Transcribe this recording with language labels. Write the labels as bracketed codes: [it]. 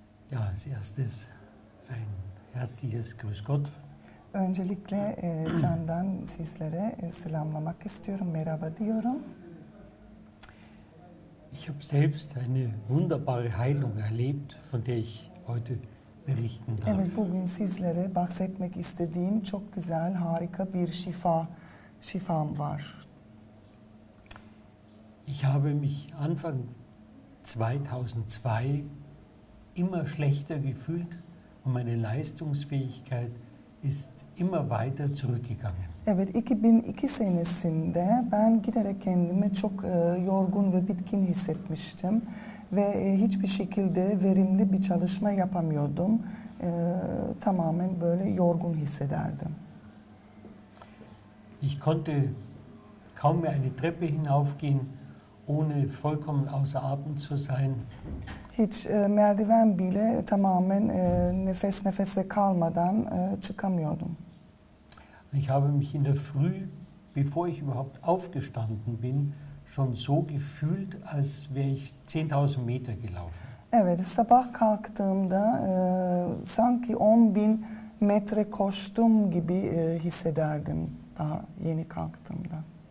[de] Ja, als erstes ein herzliches Grüß Gott. [tr] Öncelikle candan sizlere selamlamak istiyorum, merhaba diyorum. [de] Ich habe selbst eine wunderbare Heilung erlebt, von der ich heute berichten darf. [tr] Evet, bugün sizlere bahsetmek istediğim çok güzel, harika bir şifam var. [de] Ich habe mich Anfang 2002 immer schlechter gefühlt und meine Leistungsfähigkeit ist immer weiter zurückgegangen. [tr] Evet, 2002 senesinde ben giderek kendimi çok yorgun ve bitkin hissetmiştim ve hiçbir şekilde verimli bir çalışma yapamıyordum. Tamamen böyle yorgun hissederdim. [de] Ich konnte kaum mehr eine Treppe hinaufgehen, ohne vollkommen außer Atem zu sein. [tr] Hiç merdiven bile tamamen nefes nefese kalmadan çıkamıyordum. [de] Ich habe mich in der Früh, bevor ich überhaupt aufgestanden bin, schon so gefühlt, als wäre ich 10.000 Meter gelaufen. [tr] Evet, sabah kalktığımda sanki 10.000 metre koştum gibi hissederdim daha yeni kalktığımda.